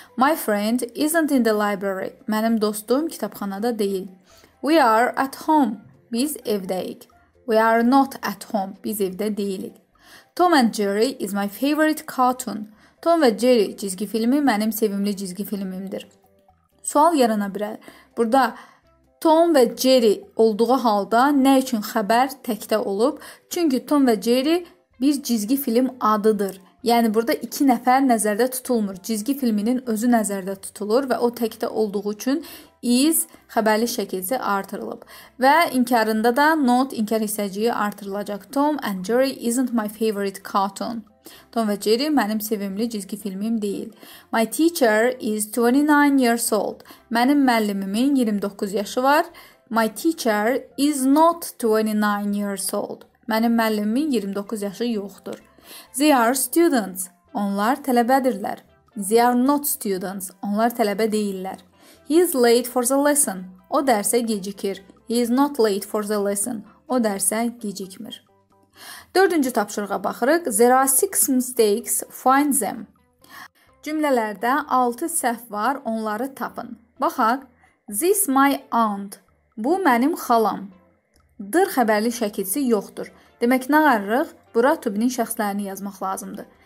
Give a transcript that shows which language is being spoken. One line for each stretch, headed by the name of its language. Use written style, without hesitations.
English: My friend isn't in the library.
Azerbaijani: Mənim dostum kitabxanada deyil.
English: We are at home.
Azerbaijani: Biz evdəyik.
English: We are not at home.
Azerbaijani: Biz evdə deyilik.
English: Tom and Jerry is my favorite cartoon.
Azerbaijani: Tom və Jerry çizgi filmi mənim sevimli çizgi filmimdir. Sual yarana bilər. Burada Tom və Jerry olduğu halda nə üçün xəbər təkdə olub? Çünki Tom və Jerry bir çizgi film adıdır. Yəni burada iki nəfər nəzərdə tutulmur. Çizgi filminin özü nəzərdə tutulur və o təkdə olduğu üçün is xəbərli şəkildə artırılıb. Və inkarında da not inkar hissəciyi artırılacaq.
English: Tom and Jerry isn't my favorite cartoon.
Azerbaijani: Tom və Jerry mənim sevimli çizgi filmim deyil.
English: My teacher is 29 years old.
Azerbaijani: Mənim müəllimimin 29 yaşı var.
English: My teacher is not 29 years old.
Azerbaijani: Mənim müəllimimin 29 yaşı yoxdur.
English: They are students.
Azerbaijani: Onlar tələbədirlər.
English: They are not students.
Azerbaijani: Onlar tələbə deyillər.
English: He is late for the lesson.
Azerbaijani: O dərsə gecikir.
English: He is not late for the lesson.
Azerbaijani: O dərsə gecikmir. Dördüncü tapşırığa baxırıq.
English: There are six mistakes. Find them.
Azerbaijani: Cümlələrdə 6 səhv var. Onları tapın. Baxaq.
English: This my aunt.
Azerbaijani: Bu mənim xalam. Dır xəbərli şəkilsi yoxdur. Demək nə qarırıq? Bura to be-nin şəxslərini yazmaq lazımdır.